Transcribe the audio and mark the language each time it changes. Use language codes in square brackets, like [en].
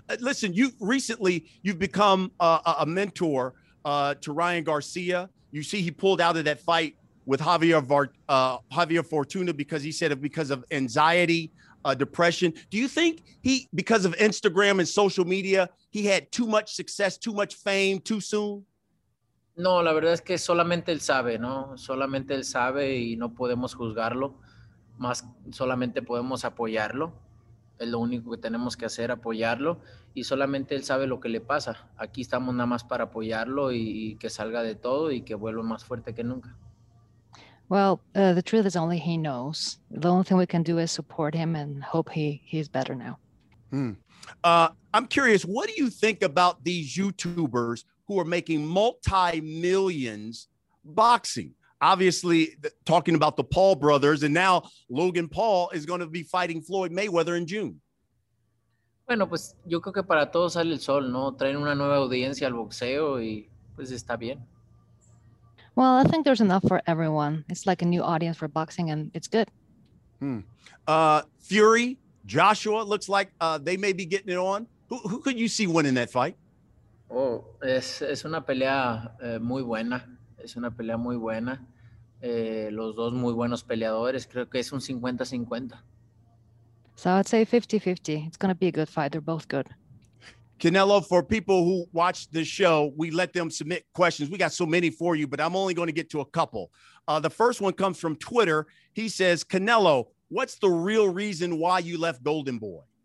[en] Listen, you've recently become a mentor to Ryan Garcia. You see he pulled out of that fight with Javier Fortuna because he said because of anxiety, depression. Do you think he, because of Instagram and social media, he had too much success, too much fame, too soon? [es] No, la verdad es que solamente él sabe, ¿no? Solamente él sabe y no podemos juzgarlo. Más solamente podemos apoyarlo. Es lo único que tenemos que hacer, apoyarlo. Y solamente él sabe lo que le pasa. Aquí estamos nada más para apoyarlo y que salga de todo y que vuelva más fuerte que nunca. [en] Well, the truth is only he knows. The only thing we can do is support him and hope he's better now. Hmm. I'm curious, what do you think about these YouTubers who are making multi-millions boxing? Obviously, talking about the Paul brothers, and now Logan Paul is going to be fighting Floyd Mayweather in June. [es] Bueno, pues yo creo que para todos sale el sol, ¿no? Traen una nueva audiencia al boxeo y pues está bien. [en] Well, I think there's enough for everyone. It's like a new audience for boxing, and it's good. Hmm. Fury, Joshua, looks like they may be getting it on. Who could you see winning that fight? [es] Oh, es una pelea muy buena. Es una pelea muy buena. Los dos muy buenos peleadores. Creo que es un 50-50. [en] So I'd say 50-50. It's going to be a good fight. They're both good. Canelo, for people who watch the show, we let them submit questions. We got so many for you, but I'm only going to get to a couple. The first one comes from Twitter. He says, Canelo, what's the real reason why you left Golden Boy?